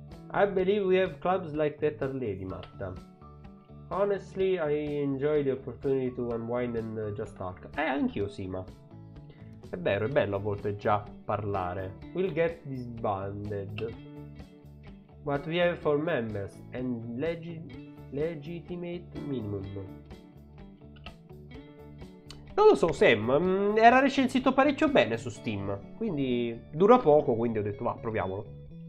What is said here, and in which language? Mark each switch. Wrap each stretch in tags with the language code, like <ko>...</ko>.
<en>I believe we have clubs like that already, Marta. Honestly, I enjoy the opportunity to unwind and just talk.</en> <it>Anch'io sì, ma... è vero, è bello a volte già parlare.</it> <en>We'll get disbanded. What we have for members and legitimate minimum.</en> <it>Non lo so, Sam, era recensito parecchio bene su Steam. Quindi dura poco, quindi ho detto, va, proviamolo.</it>